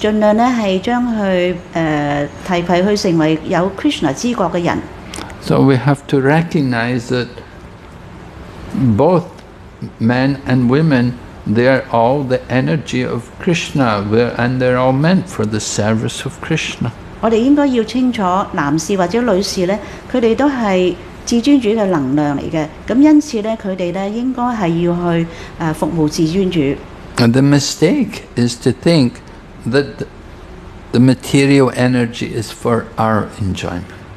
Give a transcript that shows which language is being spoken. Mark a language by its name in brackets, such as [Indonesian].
[Chinese] 盡量是將他提攜成為有Krishna知覺的人。 [English] So we have to recognize that both men and women, they are all the energy of Krishna, and they are all meant for the service of Krishna. [Chinese] 我們應該要清楚，男士或者女士，他們都是 至尊主的能量来的，因此他们应该要去服务至尊主。 [English] And the mistake is to think that the material energy is for our enjoyment.